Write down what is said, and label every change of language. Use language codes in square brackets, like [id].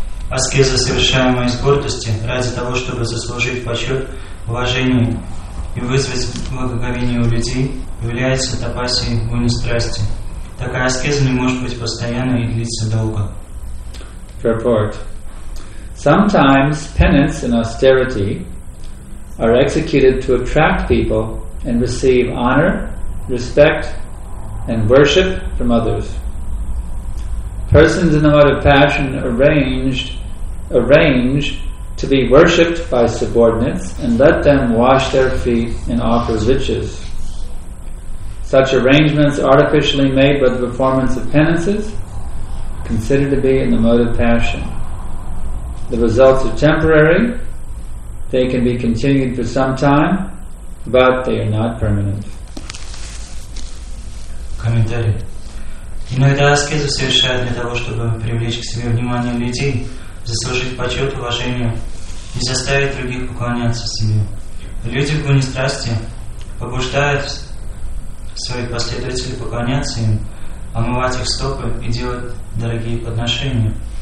[ru] Аскеза, совершаемая из гордости, ради того, чтобы заслужить почет, уважение и вызвать благоговение у людей, является тапасей гуни страсти. Такая аскеза не может быть постоянной и длиться долго. [en] Purport. Sometimes penance and austerity are executed to attract people and receive honor, respect, and worship from others. Persons in the mode of passion arrange to be worshipped by subordinates and let them wash their feet and offer riches. Such arrangements artificially made by the performance of penances considered to be in the mode of passion. The results are temporary, they can be continued for some time, but they are not permanent. [ru] Комментарий. Иногда аскезу совершают для того, чтобы привлечь к себе внимание людей, заслужить почет, уважение и заставить других поклоняться себе. Люди в гуне страсти побуждают своих последователей поклоняться им, омывать их стопы и делать дорогие подношения.